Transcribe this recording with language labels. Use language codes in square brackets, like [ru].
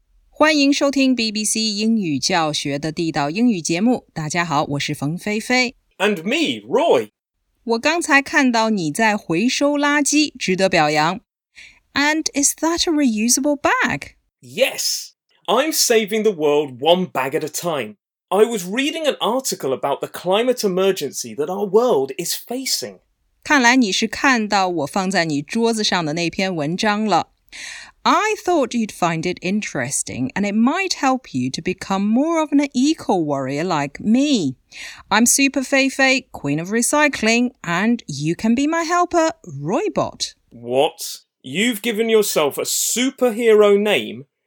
[zh] 欢迎收听 BBC 英语教学的地道英语节目。大家好，我是冯菲菲。 [en] And me, Roy. [zh] 我刚才看到你在回收垃圾，值得表扬。 [en] And is that a reusable bag? Yes. I'm saving the world one bag at a time. I was reading an article about the climate emergency that our world is facing. [zh] 看来你是看到我放在你桌子上的那篇文章了。 [en] I thought you'd find it interesting, and it might help you to become more of an eco-warrior like me. I'm Super Feifei, Queen of Recycling, and you can be my helper, Roybot. What? You've given yourself a superhero name?